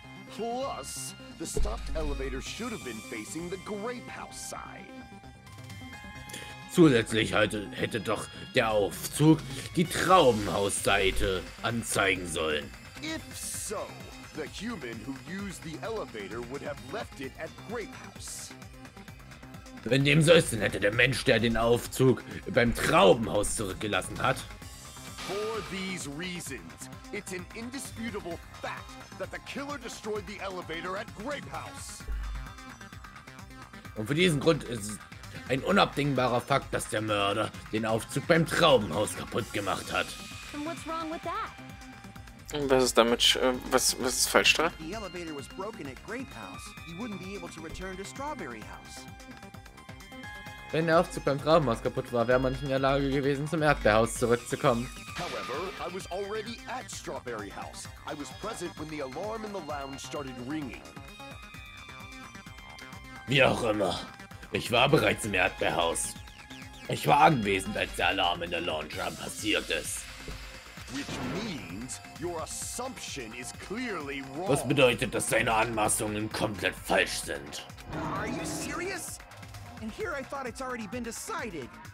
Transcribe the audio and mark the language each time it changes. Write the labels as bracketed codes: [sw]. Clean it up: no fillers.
[en] Plus, the stopped elevator should have been facing the Grape House side. [de] Zusätzlich hätte doch der Aufzug die Traubenhausseite anzeigen sollen. [en] If so, the human who used the elevator would have left it at Grape House. [de] Wenn dem so ist, dann hätte der Mensch, der den Aufzug beim Traubenhaus zurückgelassen hat. [en] For these reasons, it's an indisputable fact that the killer destroyed the elevator at Grape House. [de] Und für diesen Grund ist es ein unabdingbarer Fakt, dass der Mörder den Aufzug beim Traubenhaus kaputt gemacht hat. [en] And what's wrong with that? [de] Was ist damit was ist falsch dran? [en] The elevator was broken at Grape House. You wouldn't be able to return to Strawberry House. [de] Wenn der Aufzug beim Traubenhaus kaputt war, wäre man nicht in der Lage gewesen, zum Erdbeerhaus zurückzukommen. [en] However, I was already at Strawberry House. I was present when the alarm in the lounge started ringing. [de] Wie auch immer, ich war bereits im Erdbeerhaus. Ich war anwesend, als der Alarm in der Lounge passiert ist. [en] Which means your assumption is clearly wrong. [de] Was bedeutet, dass deine Anmaßungen komplett falsch sind? [en] Are you serious? And here I thought it's already been decided.